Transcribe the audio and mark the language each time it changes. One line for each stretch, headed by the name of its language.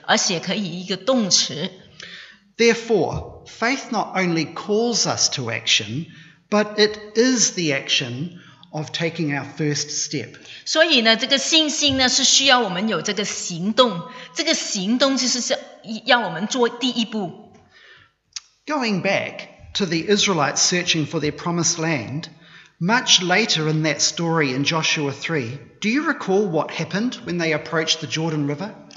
Chinese: 这个信心也是一个动词，不单只是一个名词，而且可以一个动词。
English: Therefore, faith not only calls us to action, but it is the action of taking our first step.
Chinese: 所以呢，这个信心呢，是需要我们有这个行动，这个行动就是要我们做第一步。
English: Going back to the Israelites searching for their promised land, much later in that story in Joshua 3, do you recall what happened when they approached the Jordan River?